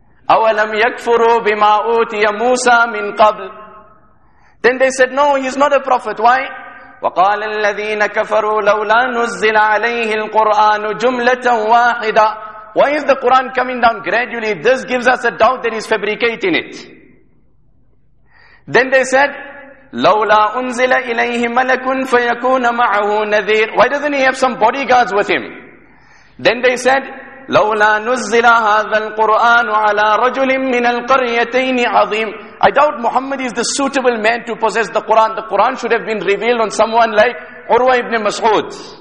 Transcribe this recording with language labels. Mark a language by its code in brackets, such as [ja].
[ar] أَوَلَمْ يَكْفُرُوا بِمَا أُوتِيَ مُوسَى مِنْ قَبْلِ. [en] Then they said, no, he's not a prophet. Why? [ar] وَقَالَ الَّذِينَ كَفَرُوا لَوْلَا نُزِّلَ عَلَيْهِ الْقُرْآنُ جُمْلَةً وَاحِدًا. [en] Why is the Quran coming down gradually? This gives us a doubt that he's fabricating it. Then they said, [ar] لَوْلَا أُنزِلَ إِلَيْهِ مَلَكٌ فَيَكُونَ مَعَهُ نَذِيرٌ. [en] Why doesn't he have some bodyguards with him? Then they said, [ar] لَوْلَا نُزِّلَ هَذَا الْقُرْآنُ عَلَىٰ رَجُلٍ مِّنَ الْقَرْيَتَيْنِ عَظِيمٌ. [en] I doubt Muhammad is the suitable man to possess the Quran. The Quran should have been revealed on someone like Urwa ibn Mas'ud.